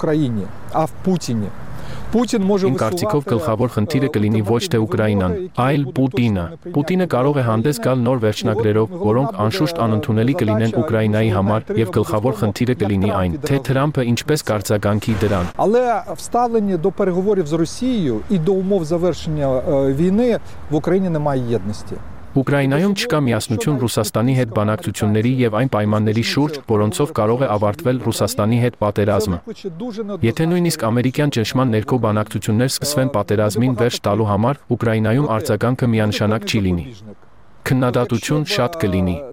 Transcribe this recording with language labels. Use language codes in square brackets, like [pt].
[hy] երկարաձգվել։ Ին կարծիքով գլխավոր խնդիրը կլինի ոչ թե Ուկրաինան, այլ Պուտինը։ Պուտինը կարող է հանդես գալ նոր վերջնագրերով, որոնք անշուշտ անընդունելի կլինեն Ուկրաինայի համար, եւ գլխավոր խնդիրը կլինի այն, թե Թրամփը ինչպես կարձագանքի դրան։ [uk] Але вставлення до переговорів з Росією і до умов завершення війни в Україні немає єдності. [hy] Ուկրաինայում չկա միասնություն Ռուսաստանի հետ բանակցությունների եւ այն պայմանների շուրջ, որոնցով կարող է ավարտվել Ռուսաստանի հետ պատերազմը։ Եթե նույնիսկ ամերիկյան ճնշման ներքո բանակցություններ սկսվեն պատերազմին վերջ տալու համար, Ուկրաինայում արձագանքը միանշանակ չի լինի։ Քննադատություն շատ կլինի։